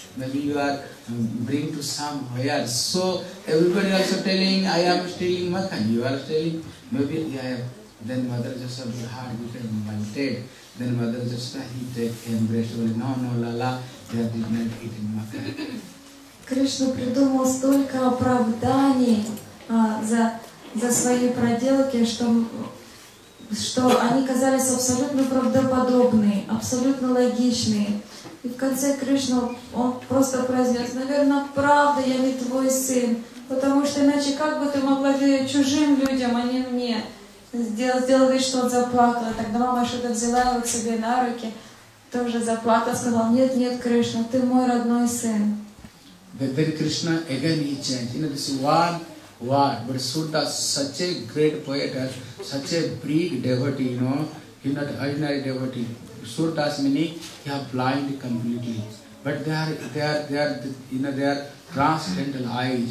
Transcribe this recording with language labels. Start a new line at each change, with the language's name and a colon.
English: Maybe you are bring to some where. So everybody also telling, I am stealing makhan. You are stealing. Maybe I have. Then Mother Yashoda's heart became melted. Then Mother Yashoda, he take embrace. No, no, Lala, they are did not eating makhan.
Russian: Кришна придумал столько оправданий за свои проделки, что они казались абсолютно правдоподобные, абсолютно логичные. И в конце Кришна, он просто произнес, наверное, правда, я не твой сын, потому что иначе как бы ты могла верить чужим людям, а не мне? Сделал вид, что он заплакал, тогда мама что-то взяла его к себе на руки, тоже заплакала, сказала, нет, нет, Кришна, ты мой родной сын.
English: Then Krishna again he changed. You know, this one, but Surda, such a great poet, such a big devotee, you know, he's not ordinary devotee. Surda's meaning, he are blind completely. But they are you know, they are transcendental eyes.